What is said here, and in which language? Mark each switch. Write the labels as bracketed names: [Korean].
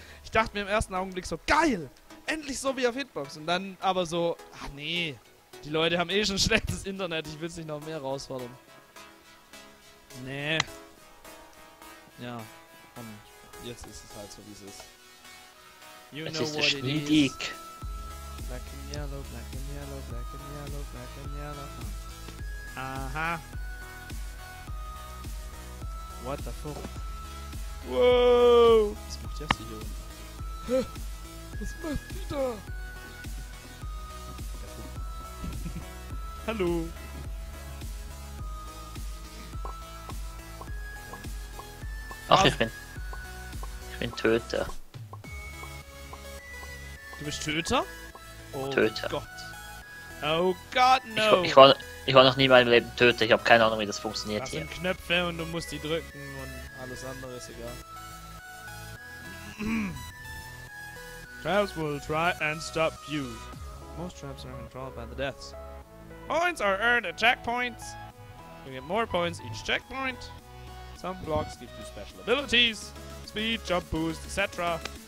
[German] Ich dachte mir im ersten Augenblick so, geil, endlich so wie auf Hitbox. Und dann aber so, ach nee. Die Leute haben eh schon schlechtes Internet, ich will es nicht noch mehr herausfordern. Nee. Ja. Und jetzt ist es halt so, wie es ist. You es know ist what schwierig. [English] It is. Black and yellow, black and yellow, black and yellow, black and yellow. Aha. What the fuck? Wow. [German] Was macht Jesse hier unten? Was macht die da? Hallo. Ach, ich bin Töter. Du bist Töter? Oh Töter. Gott. Oh Gott, no. Ich war noch nie in meinem Leben Töter. Ich habe keine Ahnung, wie das funktioniert hier. Das sind Knöpfe und du musst die drücken und alles andere ist egal. [English] Traps will try and stop you. Most traps are controlled by the deaths. Points are earned at checkpoints. You get more points each checkpoint. Some blocks give you special abilities, speed, jump boost, etc.